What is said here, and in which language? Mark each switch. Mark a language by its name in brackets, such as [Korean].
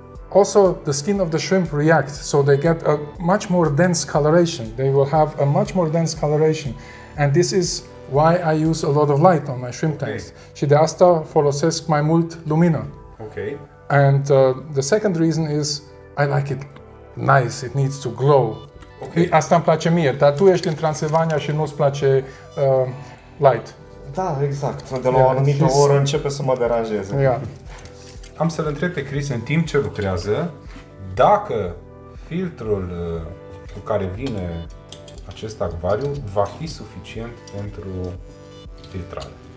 [English] also the skin of the shrimp react, so they get a much more dense coloration. They will have a much more dense coloration. And this is why I use a lot of light on my shrimp tanks. [Romanian] Și de asta folosesc mai mult lumină. [English] Okay. And the second reason is I like it nice. It needs to glow. Okay. [Romanian] Asta îmi place mie, dar tu ești în Transilvania și nu-ți place light. Da, exact. De la o anumită oră începe să mă deranjeze. Am să-l întreb pe Chris în timp ce lucrează, dacă filtrul cu care vine acest acvariu va fi suficient pentru filtrare.